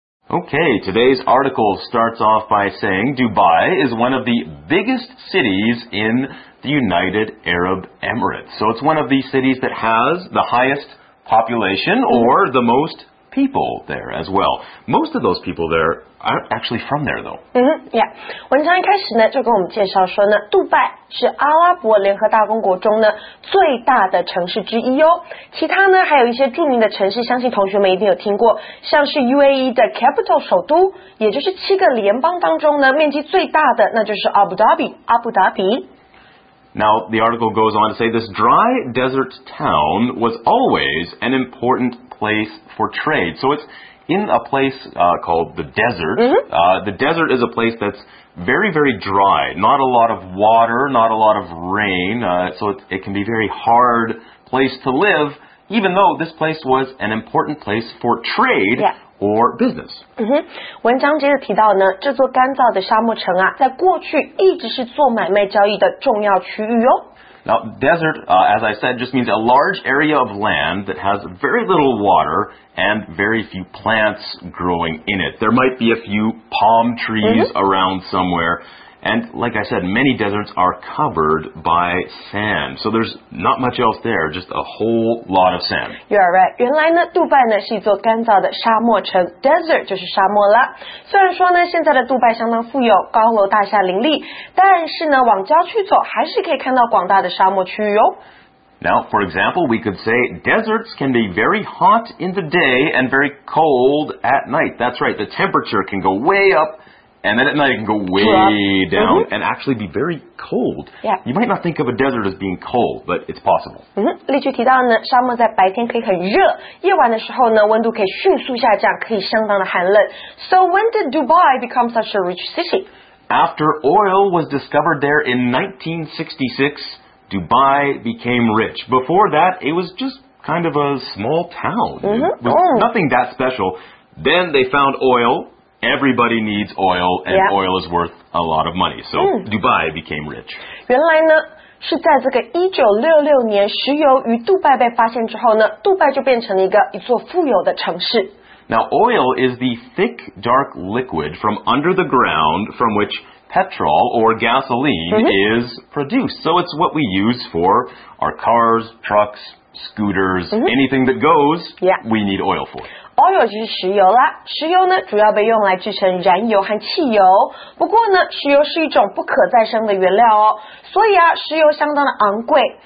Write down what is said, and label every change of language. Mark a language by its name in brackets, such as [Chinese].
[English] Okay, today's article starts off by saying Dubai is one of the biggest cities in the United Arab Emirates. So it's one of these cities that has the highest population or the most... people there as well. Most of those people there aren't actually from there though. [Chinese] 文章一开始呢就跟我们介绍说呢，杜拜是阿拉伯联合大公国中呢最大的城市之一哦。其他呢还有一些著名的城市，相信同学们一定有听过，像是 UAE 的 capital 首都，也就是七个联邦当中呢面积最大的，那就是阿布达比。 [English] Now, the article goes on to say this dry desert town was always an important place for trade. So it's in a place called the desert. Mm-hmm. The desert is a place that's very, very dry. Not a lot of water, not a lot of rain. So it can be a very hard place to live, even though this place was an important place for trade. Yeah. Or business. [Chinese] 嗯哼，文章接着提到呢，这座干燥的沙漠城啊，在过去一直是做买卖交易的重要区域哦。 [English] Now, desert, as I said, just means a large area of land that has very little water and very few plants growing in it. There might be a few palm trees、mm-hmm. around somewhere. And like I said, many deserts are covered by sand. So there's not much else there, just a whole lot of sand. You are right. [Chinese] 原来呢，杜拜呢是一座干燥的沙漠城 ，desert 就是沙漠啦。虽然说呢，现在的杜拜相当富有，高楼大厦林立，但是呢，往郊区走还是可以看到广大的沙漠区域哦。 [English] Now, for example, we could say deserts can be very hot in the day and very cold at night. That's right. The temperature can go way up. And then at night it can go way down、 mm-hmm. and actually be very cold.、 Yeah. You might not think of a desert as being cold, but it's possible.、 Mm-hmm. [Chinese] 例句提到呢，沙漠在白天可以很热，夜晚的时候呢，温度可以迅速下降，可以相当的寒冷。 [English] So when did Dubai become such a rich city? After oil was discovered there in 1966, Dubai became rich. Before that, it was just kind of a small town.、 Mm-hmm. It was nothing that special. Then they found oil. Everybody needs oil, and、 yeah. oil is worth a lot of money. So、mm. Dubai became rich. [Chinese] 原来呢，是在这个1966年石油于杜拜被发现之后呢，杜拜就变成了一座富有的城市。 [English] Now, oil is the thick, dark liquid from under the ground from which petrol or gasoline、mm-hmm. is produced. So it's what we use for our cars, trucks, scooters,、 mm-hmm. anything that goes,、 yeah. we need oil for it. [Chinese] Oil 就是石油啦，石油呢主要被用来制成燃油和汽油。不过呢，石油是一种不可再生的原料哦，所以啊，石油相当的昂贵。